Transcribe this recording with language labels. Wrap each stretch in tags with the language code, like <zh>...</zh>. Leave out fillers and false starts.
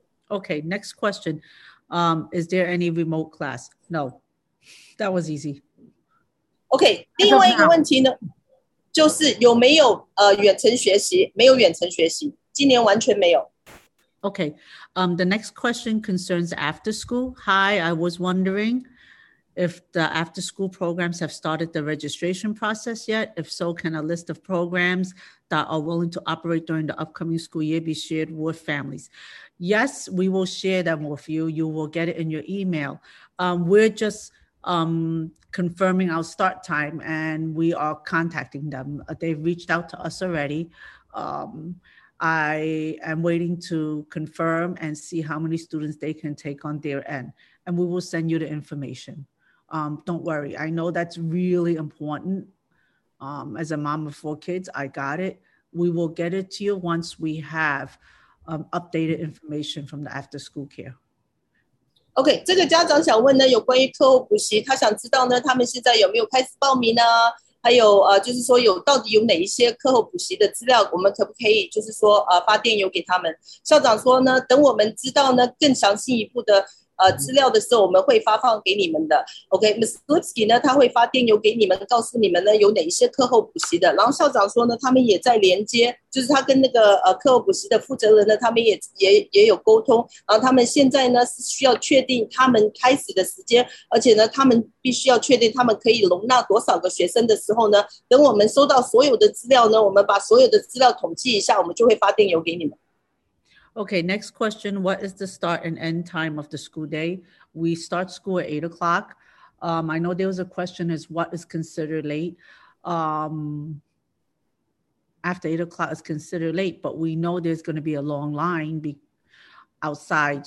<en>Okay, next question. Is there any remote class? No. That was easy.</en> <zh>Okay, 另外一个问题呢，就是有没有远程学习，没有远程学习，今年完全没有。</zh> <en>Okay, the next question concerns after school. Hi, I was wondering if the after-school programs have started the registration process yet. If so, can a list of programs that are willing to operate during the upcoming school year be shared with families? Yes, we will share them with you. You will get it in your email. We're just confirming our start time and we are contacting them. They've reached out to us already. I am waiting to confirm and see how many students they can take on their end. And we will send you the information. Don't worry. I know that's really important. As a mom of 4 kids, I got it. We will get it to you once we have updated information from the after school care.</en> <zh>Okay, 这个家长想问呢，有关于课后补习，他想知道呢，他们现在有没有开始报名呢？还有就是说有到底有哪一些课后补习的资料，我们可不可以就是说发电邮给他们？校长说呢，等我们知道呢更详细一步的。资料的时候我们会发放给你们的。OK, Ms. Lipsky 呢，他会发电邮给你们，告诉你们呢有哪一些课后补习的。然后校长说呢，他们也在连接，就是他跟那个课后补习的负责人呢，他们也有沟通。然后他们现在呢是需要确定他们开始的时间，而且呢他们必须要确定他们可以容纳多少个学生的时候呢，等我们收到所有的资料呢，我们把所有的资料统计一下，我们就会发电邮给你们。</zh> <en>Okay, next question. What is the start and end time of the school day? We start school at 8 o'clock. I know there was a question is what is considered late? After 8 o'clock is considered late, but we know there's going to be a long line outside.</en>